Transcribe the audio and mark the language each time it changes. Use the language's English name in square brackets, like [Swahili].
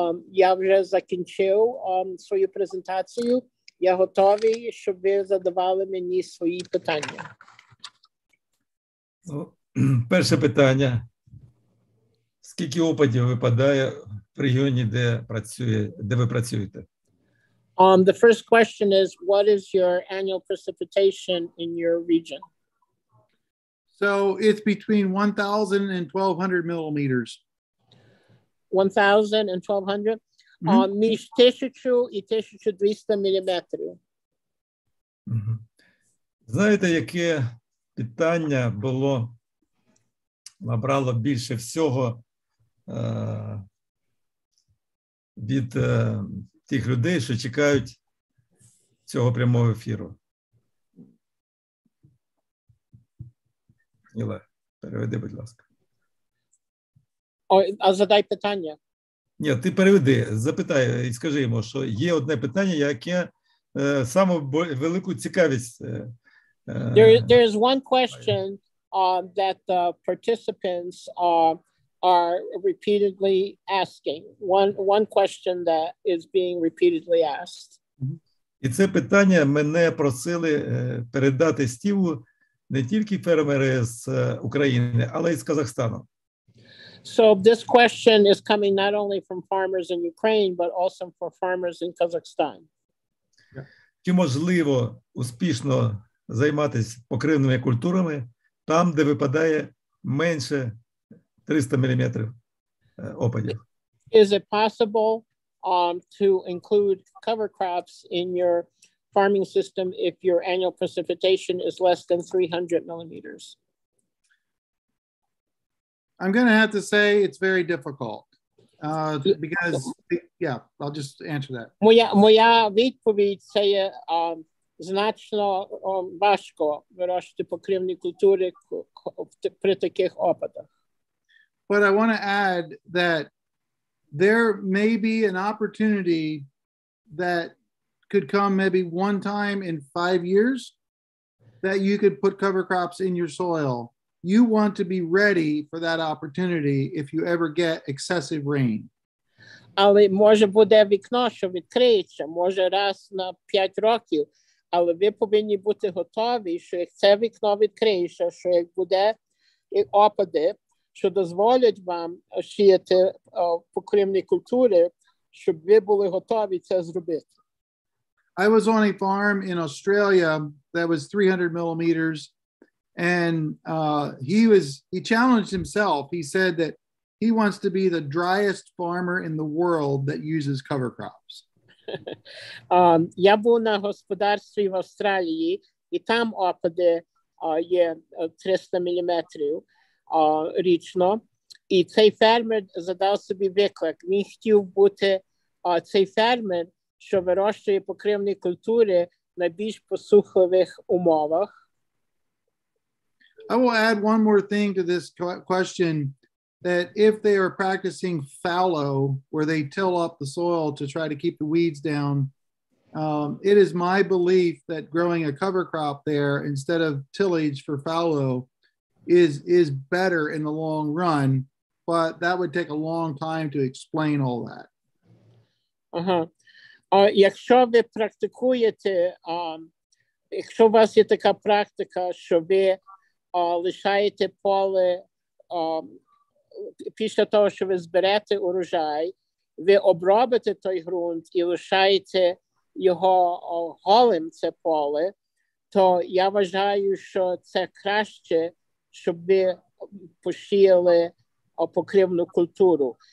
[Ukrainian] Я вже закінчив свою презентацію. Я готовий, щоб ви задавали мені свої питання. Перше питання. Скільки опадів випадає в регіоні, де ви працюєте? [English] The first question is, what is your annual precipitation in your region? So it's between 1,000 and 1,200 millimeters. 1,000 and 1,200? Mm-hmm. [Ukrainian] Між 1,000 і 1,200 міліметрів. Знаєте, яке питання було, набрало більше всього від тих людей, що чекають цього прямого ефіру? Ніле, переведи, будь ласка. А задай питання. Ні, ти переведи, запитай і скажи йому, що є одне питання, яке саме велику цікавість. [English] There is one question that the participants are repeatedly asking. One question that is being repeatedly asked. [Ukrainian] І це питання мене просили передати Стіву не тільки фермери з України, але й з Казахстану. [English] So this question is coming not only from farmers in Ukraine, but also from farmers in Kazakhstan. [Ukrainian] Чи можливо успішно займатися покривними культурами там, де випадає менше 300 мм опадів? [English] Is it possible to include cover crops in your farming system if your annual precipitation is less than 300 millimeters? I'm going to have to say it's very difficult because I'll just answer that. [Ukrainian] Моя відповідь це є значно важко вирощувати покривні культури при таких опадах. [English] But I want to add that there may be an opportunity that could come maybe one time in 5 years that you could put cover crops in your soil. You want to be ready for that opportunity if you ever get excessive rain. [Ukrainian] Але може буде вікно, що відкриється, може раз на 5 років, але ви повинні бути готові, що як це вікно відкриється, що як буде опади, що дозволять вам сіяти покривні культури, щоб ви були готові це зробити. [English] I was on a farm in Australia that was 300 millimeters. And he challenged himself. He said that he wants to be the driest farmer in the world that uses cover crops. [Ukrainian] Я був на господарстві в Австралії, і там опади є 300 міліметрів річно. І цей фермер задав собі виклик. Він хотів бути цей фермер, що вирощує покривні культури на більш посухливих умовах. [English] I will add one more thing to this question, that if they are practicing fallow, where they till up the soil to try to keep the weeds down, it is my belief that growing a cover crop there instead of tillage for fallow is better in the long run, but that would take a long time to explain all that. [Ukrainian] Якщо ви практикуєте, якщо у вас є така практика, що ви лишаєте поле після того, що ви зберете урожай, ви обробите той ґрунт і лишаєте його голим, це поле, то я вважаю, що це краще, щоб ви посіяли покривну культуру.